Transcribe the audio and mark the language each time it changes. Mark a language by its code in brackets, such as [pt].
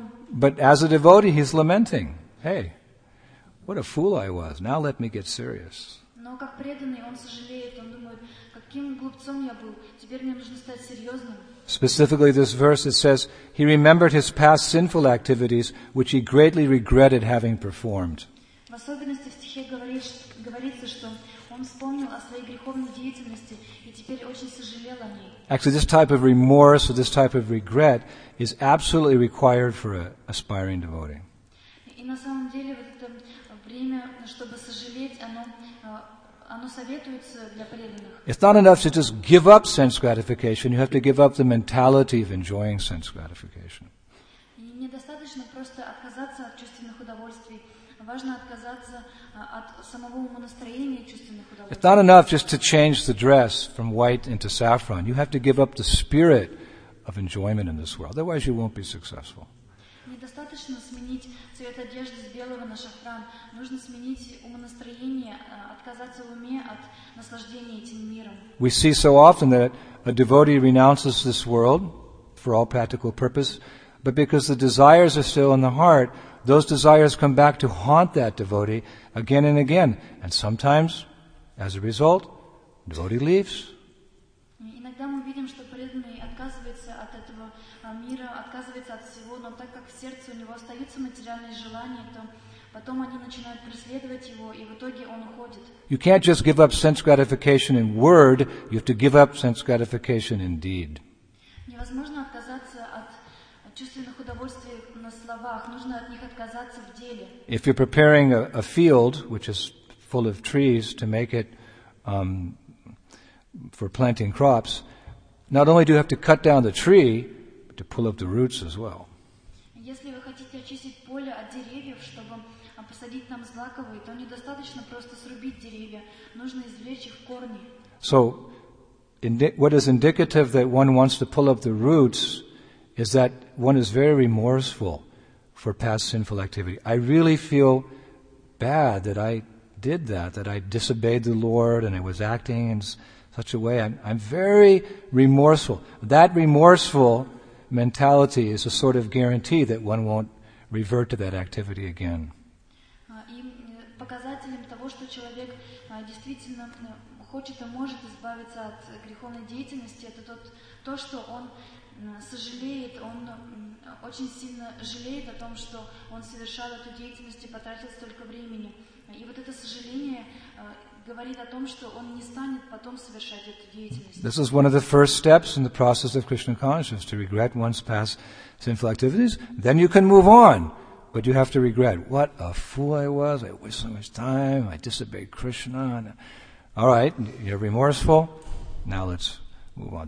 [en] But as a devotee, he's lamenting, hey, what a fool I was. Now let me get serious. [ru] Но как преданный, он сожалеет, он думает, каким глупцом я был, теперь мне нужно стать серьезным. [en] Specifically, this verse, it says, he remembered his past sinful activities, which he greatly regretted having performed. [ru] В особенности в стихе говорится, что он вспомнил о своей греховной деятельности и теперь очень сожалел о ней. [en] Actually, this type of remorse or this type of regret is absolutely required for an aspiring devotee. [ru] И на самом деле, вот это время, чтобы сожалеть, оно советуется для преданных. [en] It's not enough to just give up sense gratification. You have to give up the mentality of enjoying sense gratification. [ru] И недостаточно просто отказаться от чувственных удовольствий. Важно отказаться от самого умонастроения чувственных удовольствий. [en] It's not enough just to change the dress from white into saffron. You have to give up the spirit of enjoyment in this world. Otherwise, you won't be successful. [ru] Недостаточно сменить цвет одежды с белого на шафран. Нужно сменить умонастроение, отказаться в уме от наслаждения этим миром. [en] We see so often that a devotee renounces this world for all practical purpose, but because the desires are still in the heart, those desires come back to haunt that devotee again and again. And sometimes, as a result, devotee leaves. [ru] Иногда мы видим, что преданный отказывается от этого мира, отказывается от всего, но так как в сердце у него остаются материальные желания, то потом они начинают преследовать его, и в итоге он уходит. [en] You can't just give up sense gratification in word, you have to give up sense gratification in deed. [ru] Невозможно отказаться от чувственных удовольствий на словах, нужно от них отказаться в деле. [en] If you're preparing a field which is full of trees to make it for planting crops, not only do you have to cut down the tree, but to pull up the roots as well. [ru] Если вы хотите очистить поле от деревьев, чтобы посадить там злаковые, то недостаточно просто срубить деревья, нужно извлечь их корни. [en] So, what is indicative that one wants to pull up the roots is that one is very remorseful for past sinful activity. I really feel bad that I did that, that I disobeyed the Lord and I was acting in such a way. I'm very remorseful. That remorseful mentality is a sort of guarantee that one won't revert to that activity again. [ru] Показателем того, что человек действительно хочет и может избавиться от греховной деятельности, это то, что он сожалеет, он очень сильно жалеет о том, что он совершал эту деятельность и потратил столько времени. И вот это сожаление говорит о том, что он не станет потом совершать эту деятельность. [en] This is one of the first steps in the process of Krishna consciousness, to regret one's past sinful activities. Then you can move on. But you have to regret, what a fool I was, I wasted so much time, I disobeyed Krishna. All right, you're remorseful, now let's move on.